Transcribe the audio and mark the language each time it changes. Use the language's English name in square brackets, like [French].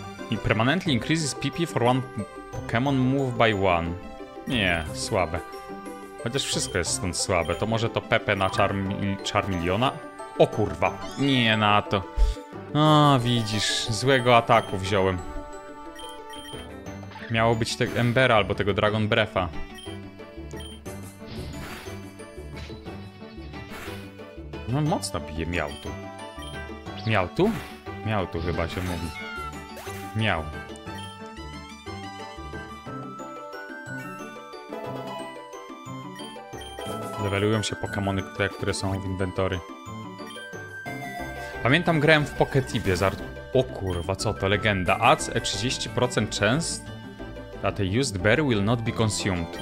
[English] I permanently increases PP for one Pokemon move by one. [Polish] Nie, słabe. Chociaż wszystko jest stąd słabe. To może to Pepe na Charmeleona? O kurwa. Nie na to. A, widzisz. Złego ataku wziąłem. Miało być tego Embera albo tego Dragon Breath'a. No mocno bije Miałtu. Miałtu? Miałtu chyba się mówi. Miał. Levelują się Pokemony te, które są w inwentory. Pamiętam grałem w Pocket i Blizzard. O kurwa, co to legenda. [English] Adds a 30% chance that a used bear will not be consumed.